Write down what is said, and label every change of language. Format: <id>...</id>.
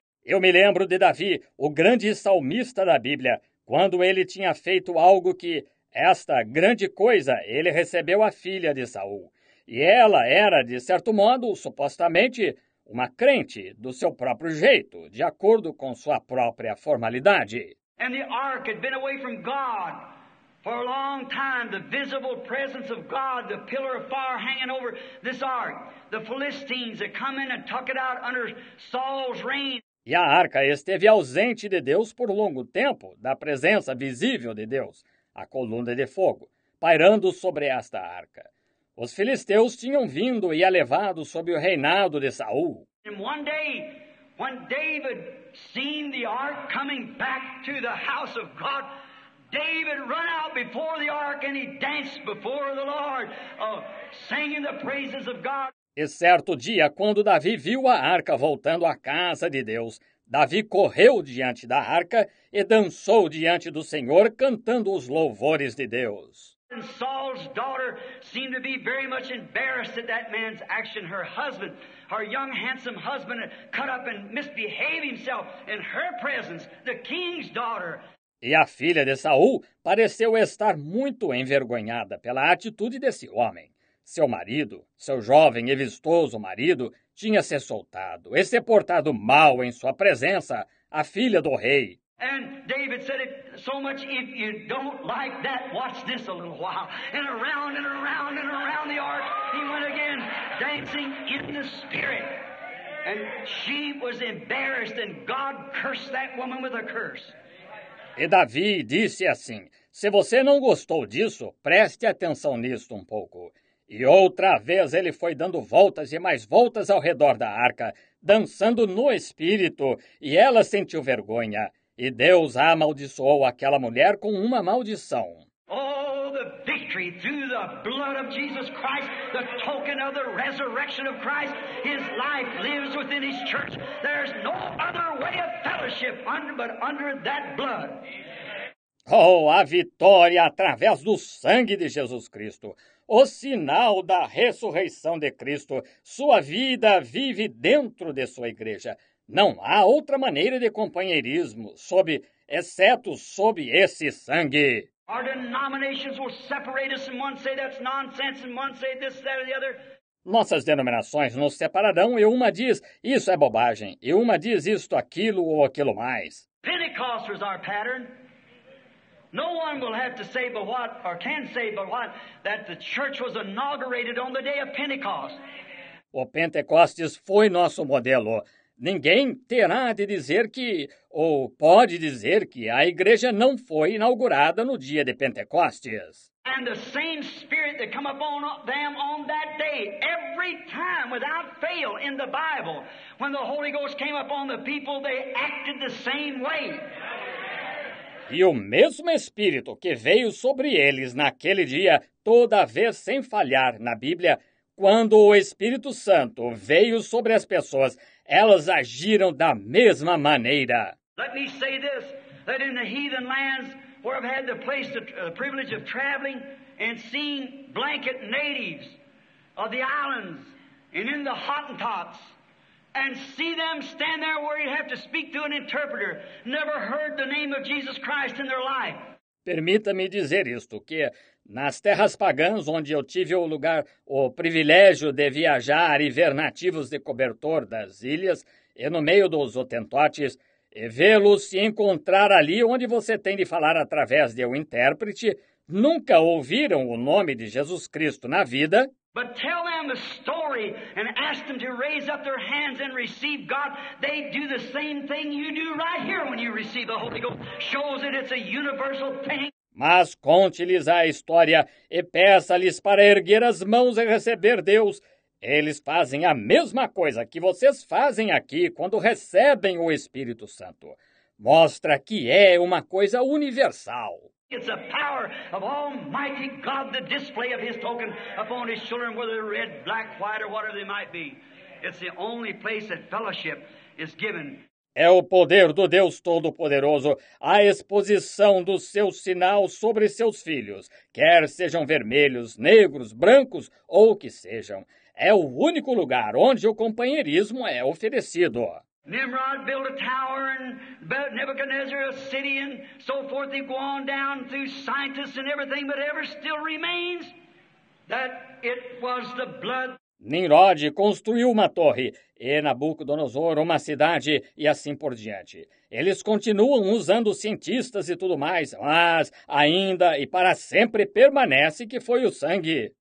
<pt>Eu me lembro de Davi, o grande salmista da Bíblia, quando ele tinha feito algo que esta grande coisa, ele recebeu a filha de Saul. E ela era, de certo modo, supostamente, uma crente do seu próprio jeito, de acordo com sua própria formalidade.</pt> <en>And the ark had been away from God. For a long time, the visible presence of God, the pillar of fire hanging over this ark, the Philistines that come in and tuck it out under Saul's reign.</en> <pt>E a arca esteve ausente de Deus por longo tempo, da presença visível de Deus, a coluna de fogo, pairando sobre esta arca. Os filisteus tinham vindo e a levado sob o reinado de Saul.</pt> <en>And one day, when David seen the ark coming back to the house of God, David ran out before the ark and he danced before the Lord, singing the praises of God.</en> <pt>E certo dia, quando Davi viu a arca voltando à casa de Deus, Davi correu diante da arca e dançou diante do Senhor, cantando os louvores de Deus.</pt> <en>And Saul's daughter seemed to be very much embarrassed at that man's action. Her husband, her young, handsome husband, had cut up and misbehaved himself in her presence, the king's daughter.</en> <pt>E a filha de Saul pareceu estar muito envergonhada pela atitude desse homem. Seu marido, seu jovem e vistoso marido, tinha se soltado e se portado mal em sua presença, a filha do rei.</pt> <en>And David said it so much, if you don't like that, watch this a little while. And around and around and around the ark, he went again, dancing in the spirit. And she was embarrassed, and God cursed that woman with a curse.</en> <pt>E Davi disse assim, se você não gostou disso, preste atenção nisto um pouco. E outra vez ele foi dando voltas e mais voltas ao redor da arca, dançando no espírito, e ela sentiu vergonha. E Deus amaldiçoou aquela mulher com uma maldição.</pt> <en>Oh, the victory through the blood of Jesus Christ, the token of the resurrection of Christ, his life lives within his church. There's no other way of fellowship but under that blood.</en> <pt>Oh, a vitória através do sangue de Jesus Cristo, o sinal da ressurreição de Cristo, sua vida vive dentro de sua igreja. Não há outra maneira de companheirismo, exceto sob esse sangue.</pt> <en>Our denominations will separate us, and one say that's nonsense, and one say this, that, or the other.</en> <pt>Nossas denominações nos separarão, e uma diz isso é bobagem, e uma diz isto, aquilo ou aquilo mais.</pt> <en>Pentecost was our pattern. No one will have to say but what, or can say but what, that the church was inaugurated on the day of Pentecost.</en> <pt>O Pentecostes foi nosso modelo. Ninguém terá de dizer que, ou pode dizer que, a igreja não foi inaugurada no dia de Pentecostes.</pt> <en>And the same spirit that come upon them on that day, every time without fail in the Bible, when the Holy Ghost came upon the people, they acted the same way.</en> <pt>E o mesmo Espírito que veio sobre eles naquele dia, toda vez sem falhar na Bíblia, quando o Espírito Santo veio sobre as pessoas, elas agiram da mesma maneira.</pt> <en>Let me say this, that in the heathen lands where I've had the privilege of traveling and seeing blanket natives of the islands and in the Hottentots, and see them stand there where you have to speak to an interpreter, never heard the name of Jesus Christ in their life.</en> <pt>Permita-me dizer isto, que nas terras pagãs onde eu tive o lugar, o privilégio de viajar e ver nativos de cobertor das ilhas e no meio dos hotentotes, e vê-los se encontrar ali onde você tem de falar através de um intérprete, nunca ouviram o nome de Jesus Cristo na vida.</pt> <en>But tell them a story and ask them to raise up their hands and receive God. They do the same thing you do right here when you receive the Holy Ghost. Shows that it's a universal thing.</en> <pt>Mas conte-lhes a história e peça-lhes para erguer as mãos e receber Deus. Eles fazem a mesma coisa que vocês fazem aqui quando recebem o Espírito Santo. Mostra que é uma coisa universal.</pt> <en>It's a power of Almighty God, the display of His token upon His children, whether they're red, black, white, or whatever they might be. It's the only place that fellowship is given.</en> <pt>É o poder do Deus Todo-Poderoso, a exposição do seu sinal sobre seus filhos, quer sejam vermelhos, negros, brancos ou o que sejam. É o único lugar onde o companheirismo é oferecido.</pt> <en>Nimrod built a tower and Nebuchadnezzar a city and so forth. They go on down through scientists and everything, but ever still remains that it was the blood.</en> <pt>Nimrod construiu uma torre e Nabucodonosor uma cidade e assim por diante. Eles continuam usando cientistas e tudo mais, mas ainda e para sempre permanece que foi o sangue.</pt>